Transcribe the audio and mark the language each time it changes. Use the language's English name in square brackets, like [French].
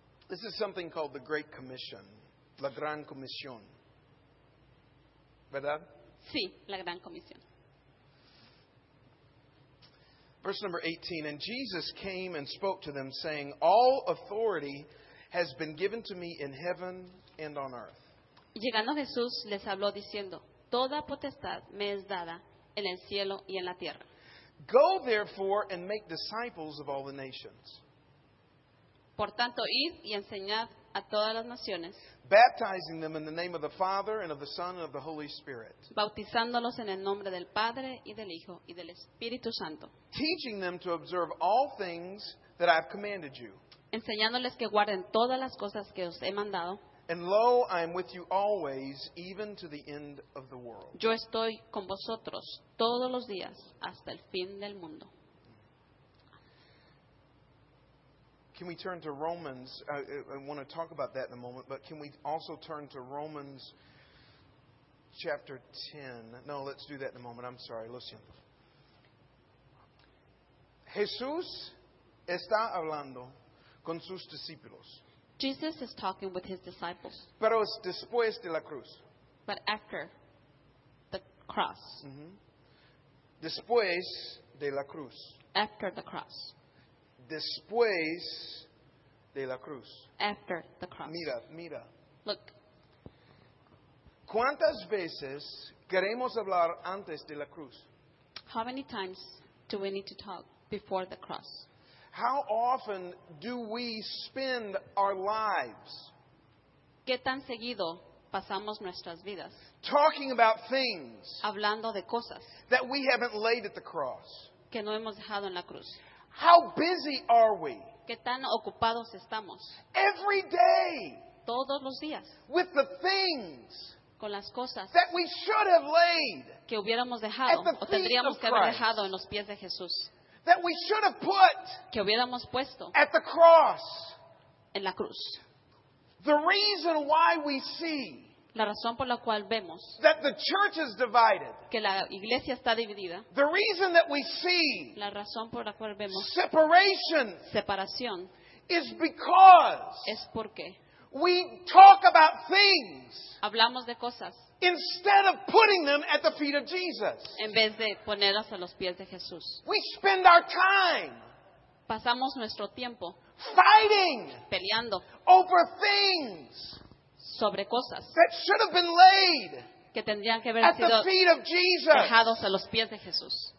[English] This is something called the Great Commission, [Spanish] la Gran Comisión. ¿Verdad? Sí, la Gran Comisión. [English] Verse number 18, and Jesus came and spoke to them, saying, all authority has been given to me in heaven and on earth. [Spanish] Llegando Jesús, les habló diciendo, toda potestad me es dada en el cielo y en la tierra. [English] Go therefore and make disciples of all the nations. [Spanish] Por tanto, id y enseñad a todas las naciones. [English] Baptizing them in the name of the Father and of the Son and of the Holy Spirit. [Spanish] Bautizándolos en el nombre del Padre y del Hijo y del Espíritu Santo. [English] Teaching them to observe all things that I have commanded you. [Spanish] Enseñándoles que guarden todas las cosas que os he mandado. [English] And lo, I am with you always, even to the end of the world. [Spanish] Yo estoy con vosotros todos los días hasta el fin del mundo. [English] Can we turn to Romans? I want to talk about that in a moment, but can we also turn to Romans chapter 10? No, let's do that in a moment. I'm sorry. [Spanish] Lo siento. Jesús está hablando con sus discípulos. [English] Jesus is talking with his disciples. [Spanish] Pero es después de la cruz. [English] But after the cross. [Spanish] Mm-hmm. Después de la cruz. [English] After the cross. [Spanish] Después de la cruz. [English] After the cross. [Spanish] Mira, mira. [English] Look. [Spanish] ¿Cuántas veces queremos hablar antes de la cruz? [English] How many times do we need to talk before the cross? How often do we spend our lives? [Spanish] ¿Qué tan seguido pasamos nuestras vidas? [English] Talking about things. [Spanish] Hablando de cosas. [English] That we haven't laid at the cross. [Spanish] Que no hemos dejado en la cruz. [English] How busy are we? [Spanish] ¿Qué tan ocupados estamos? [English] Every day. [Spanish] Todos los días. [English] With the things. [Spanish] Con las cosas. [English] That we should have laid. [Spanish] Que hubiéramos dejado o tendríamos que haber dejado en los pies de Jesús. [English] That we should have put. [Spanish] Que hubiéramos puesto. [English] At the cross. [Spanish] En la cruz. [English] The reason why we see. [Spanish] La razón por la cual vemos. [English] That the church is divided. [Spanish] Que la iglesia está dividida. [English] The reason that we see. [Spanish] La razón por la cual vemos. [English] Separation. [Spanish] Separación. [English] Is because. [Spanish] Es porque. [English] We talk about things. [Spanish] Hablamos de cosas. [English] Instead of putting them at the feet of Jesus. [Spanish] En vez de ponerlas a los pies de Jesús. [English] We spend our time. [Spanish] Pasamos nuestro tiempo. [English] Fighting. [Spanish] Peleando. [English] Over things. [Spanish] Sobre cosas [English] that should have been laid [Spanish] que tendrían que haber sido dejados a los pies de Jesús.